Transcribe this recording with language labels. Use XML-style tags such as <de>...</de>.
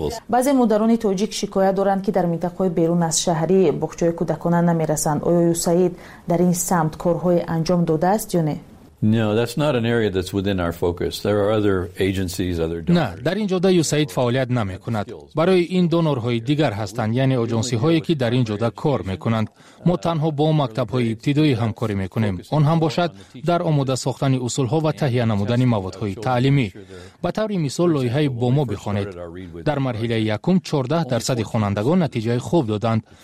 <fa>بعضی مادران تاجیک شکایت دارند که در منطقه بیرون از شهری بخچه کودکان نمیرسند. آیا یو سید در این سمت کارهای انجام داده است یا نه؟</fa> <en>No, that's not an area that's within our focus. There are other agencies, other donors.</en> <fa>نه، در این جاده یوسید فعالیت نمیکند. برای این دونورهای دیگر هستند، یعنی اجنسی هایی که در این جاده کار میکنند. ما تنها با مکتب های ابتدایی همکاری میکنیم. آن هم باشد در آماده ساختن اصول ها و تهیه نمودن مواد های تعلیمی. به طور مثال لایحه با ما بخونید. در مرحله یکم 14% خوانندگان نتیجه خوب دادند.</fa>